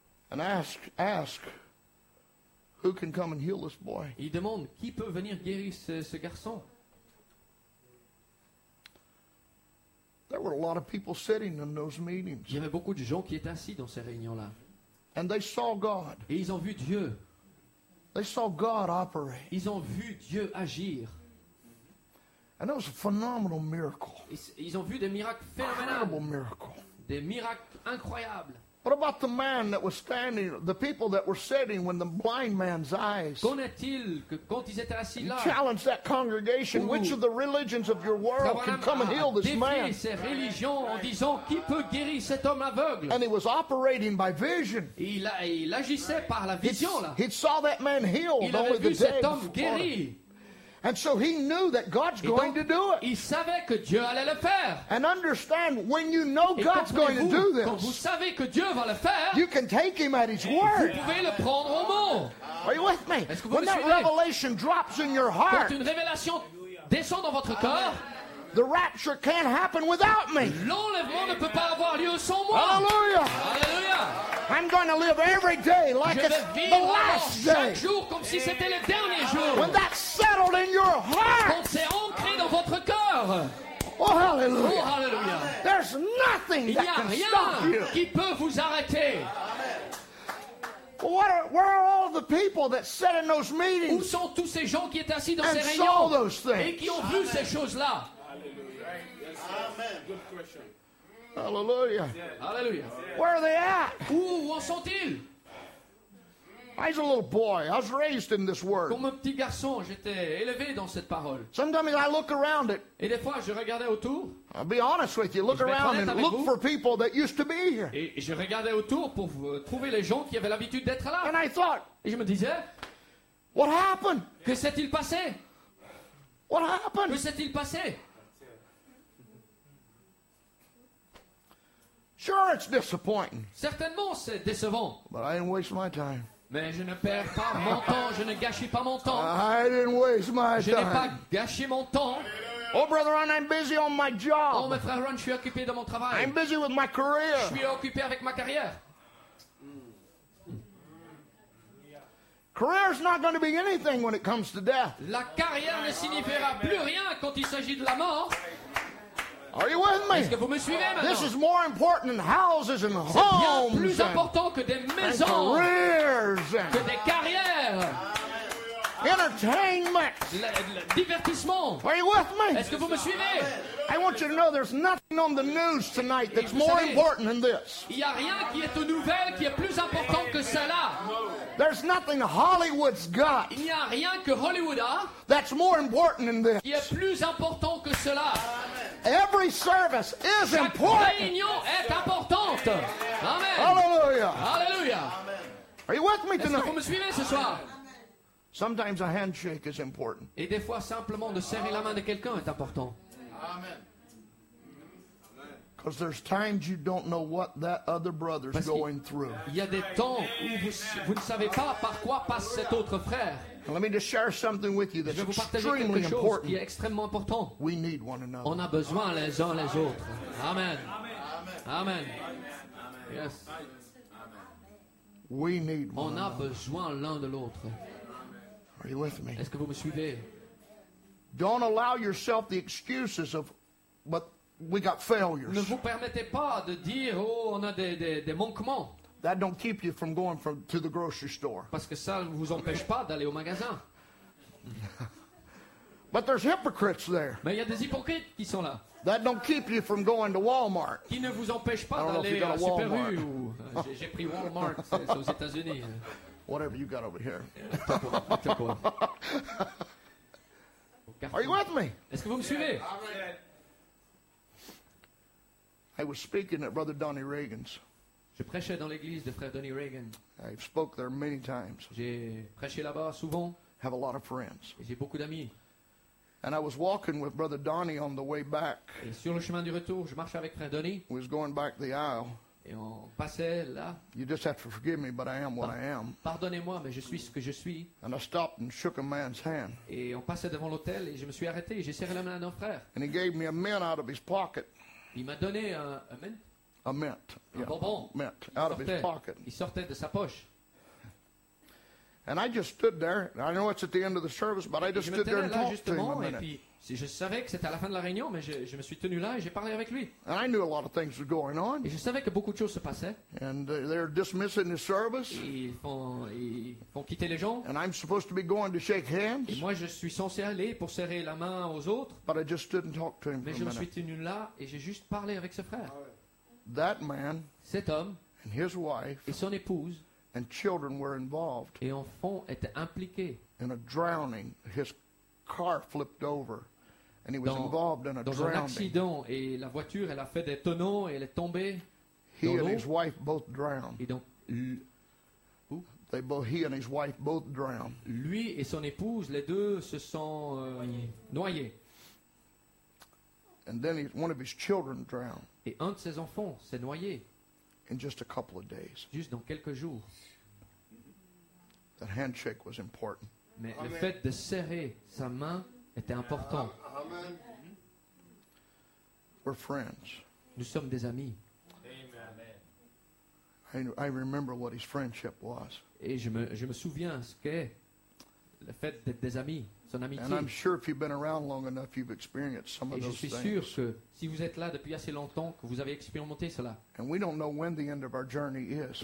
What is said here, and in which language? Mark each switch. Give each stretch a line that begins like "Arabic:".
English: And ask who can come and heal this boy.
French: Il demande qui peut venir guérir ce garçon.
English: There were a lot of people sitting in those meetings.
French: Il y avait beaucoup de gens qui étaient assis dans ces réunions là.
English: And they saw God.
French: Et ils ont vu Dieu.
English: They saw God operate.
French: Ils ont vu Dieu agir.
English: And it was a phenomenal miracle.
French: Ils ont vu des miracles phénoménaux.
English: Incredible miracle.
French: Des miracles incroyables.
English: What about the man that was standing, the people that were sitting when the blind man's eyes?
French: Qu'en est-il que quand ils étaient assis là?
English: He challenged that congregation. Ooh. Which of the religions of your world can come and heal this man?
French: Défié ces religions en disant qui peut guérir cet homme aveugle?
English: And he was operating by vision.
French: Il agissait par la vision là.
English: He saw that man healed only the day before. And so he knew that God's going to do it.
French: Il savait que Dieu allait le faire.
English: And understand, when you know God's going to do this,
French: quand vous savez que Dieu va le faire,
English: you can take him at his word.
French: Vous pouvez le prendre au mot.
English: Are you with me?
French: Est-ce que vous
English: when
French: me
English: that
French: suivez?
English: Revelation drops in your heart,
French: quand une révélation descend dans votre cœur,
English: the rapture can't happen without me.
French: L'enlèvement ne peut pas avoir lieu sans moi.
English: Hallelujah.
French: Hallelujah.
English: I'm going to live every day like
French: je
English: it's the last day.
French: Chaque jour comme si c'était le dernier jour.
English: When that's settled in your heart.
French: Quand c'est ancré dans votre cœur.
English: Oh hallelujah.
French: Oh hallelujah.
English: There's nothing
French: il
English: that can
French: rien
English: stop you.
French: Qui peut vous arrêter.
English: Where are all the people that sat in those meetings?
French: Où sont tous ces gens qui étaient assis dans
English: and
French: ces
English: saw
French: réunions
English: those things.
French: Et qui ont vu ces choses-là?
English: Amen. Good question. Hallelujah.
French: Hallelujah.
English: Where are they at?
French: Où en sont-ils?
English: I was a little boy. I was raised in this word.
French: Comme un petit garçon, j'étais élevé dans cette parole.
English: Sometimes I look around it.
French: Et des fois, je regardais autour.
English: I'll be honest with you. Look around and look for people that used to be here.
French: Et je regardais autour pour trouver les gens qui avaient l'habitude d'être là.
English: And I thought.
French: Et je me disais.
English: What happened?
French: Que s'est-il passé?
English: What happened?
French: Que s'est-il passé?
English: Sure, it's disappointing.
French: Certainement, c'est décevant.
English: But I didn't waste my time.
French: Mais je ne perds pas mon temps. Je ne gâchis pas mon temps.
English: I didn't waste my
French: je
English: time.
French: Je n'ai pas gâché mon temps.
English: Oh, brother Ron, I'm busy on my job.
French: Oh, mes frères Ron, je suis occupé dans mon travail.
English: I'm busy with my career.
French: Je suis occupé avec ma carrière.
English: Career's not going to be anything when it comes to death.
French: La carrière ne signifiera plus rien quand il s'agit de la mort.
English: Are you with me?
French: Est-ce que vous me suivez maintenant?
English: This is more important than houses and homes.
French: C'est bien plus important que des maisons.
English: And careers. And
French: que des carrières.
English: Entertainment.
French: Divertissement.
English: Are you with me?
French: Est-ce que vous me suivez?
English: I want you to know there's nothing on the news tonight that's more
French: savez,
English: important than this.
French: Il y a rien qui est aux nouvelles qui est plus important que cela.
English: There's nothing Hollywood's got.
French: Il n'y a rien que Hollywood a.
English: That's more important than this.
French: Qui est plus important que cela.
English: Every service is
French: chaque
English: important.
French: Chaque réunion est importante.
English: Amen. Hallelujah.
French: Hallelujah.
English: Are you with me tonight?
French: Est-ce que vous me suivez ce soir?
English: Sometimes a handshake is important.
French: Et des fois, simplement de serrer la main de quelqu'un est important.
English: Amen. Because there's times you don't know what that other brother's going through.
French: Il y a des temps où vous ne savez pas par quoi passe cet autre frère.
English: Let me just share something with you that's extremely important.
French: Qui est extrêmement important.
English: We need one another.
French: On a besoin les uns les autres.
English: Amen.
French: Amen.
English: Yes. We need one another.
French: On a besoin l'un de l'autre.
English: Are you with me?
French: Est-ce que vous me suivez?
English: Don't allow yourself the excuses of, but we got failures.
French: Ne vous permettez pas de dire, oh, on a des manquements.
English: That don't keep you from going from to the grocery store.
French: Parce que ça vous empêche pas d'aller au magasin.
English: But there's hypocrites there.
French: Mais il y a des hypocrites qui sont là.
English: That don't keep you from going to Walmart.
French: Qui ne vous empêche pas d'aller à Super U. J'ai pris Walmart, c'est aux États-Unis.
English: Whatever you got over here. Yeah. Are you with me?
French: Est-ce que vous me suivez?
English: I was speaking at Brother Donnie Reagan's.
French: Je prêchais dans l'église de frère Donnie Reagan.
English: I've spoke there many times.
French: J'ai prêché là-bas souvent.
English: Have a lot of friends.
French: Et j'ai beaucoup d'amis.
English: And I was walking with Brother Donnie on the way back.
French: Et sur le chemin du retour, je marchais avec frère Donnie.
English: We was going back the aisle.
French: Et on passait là.
English: You just have to forgive me, but I am what I am.
French: Pardonnez-moi, mais je suis ce que je suis.
English: And I stopped and shook a man's hand.
French: Et on passait devant l'hôtel et je me suis arrêté. J'ai serré la main d'un frère.
English: And he gave me a mint out of his pocket.
French: Il m'a donné un mint.
English: A mint.
French: Un
English: yeah.
French: Bonbon.
English: Mint out of his pocket.
French: Il sortait de sa poche.
English: And I just stood there. I know it's at the end of the service, but
French: et
English: I just stood there and talked to him a minute.
French: Puis, si je savais que c'était à la fin de la réunion, mais je me suis tenu là et j'ai parlé avec lui.
English: And I knew a lot of things were going on.
French: Et je savais que beaucoup de choses se passaient.
English: And they're dismissing the service.
French: Ils font quitter les gens.
English: And I'm supposed to be going to shake hands.
French: Et moi, je suis censé aller pour serrer la main aux autres.
English: But I just stood and talked to him
French: mais
English: for
French: je
English: a
French: me
English: minute.
French: Suis tenu là et j'ai juste parlé avec ce frère.
English: That man.
French: Cet homme.
English: and his wife
French: et son épouse
English: and children were involved
French: et enfants étaient impliqués
English: in a drowning. His car flipped over and he was involved in a
French: dans
English: drowning.
French: Un accident et la voiture elle a fait des tonneaux et elle est tombée.
English: He and his wife both drowned.
French: Et donc,
English: he and his wife both drowned.
French: Lui et son épouse, les deux se sont noyés.
English: And then one of his children drowned.
French: Et un de ses enfants s'est noyé.
English: In just a couple of days.
French: Juste dans quelques jours.
English: That handshake was important.
French: Mais amen. Le fait de serrer sa main était important.
English: Amen. We're friends.
French: Nous sommes des amis.
English: I remember what his friendship was.
French: Et je me souviens ce qu'est le fait d'être des amis, son amitié.
English: And I'm sure if you've been around long enough, you've experienced some
French: et
English: of those things.
French: Et je suis sûr que si vous êtes là depuis assez longtemps, que vous avez expérimenté cela.
English: And we don't know when the end of our journey is.